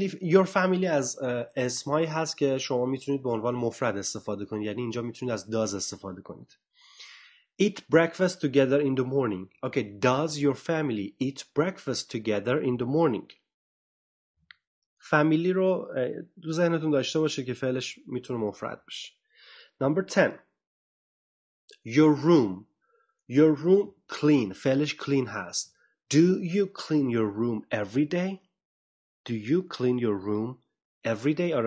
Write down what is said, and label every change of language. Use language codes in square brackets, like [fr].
[en] Your family [fa] از اسمایی هست که شما میتونید به عنوان مفرد استفاده کنید، یعنی اینجا میتونید از does استفاده کنید. [en] Eat breakfast together in the morning. Okay, does your family eat breakfast together in the morning? [fa] فامیلی رو تو ذهنتون داشته باشه که فعلش میتونه مفرد بشه. [en] Number 10. Your room clean. [fa] فعلش [en] clean [fa] هست. [en] Do you clean your room every day? Do you clean your room every day?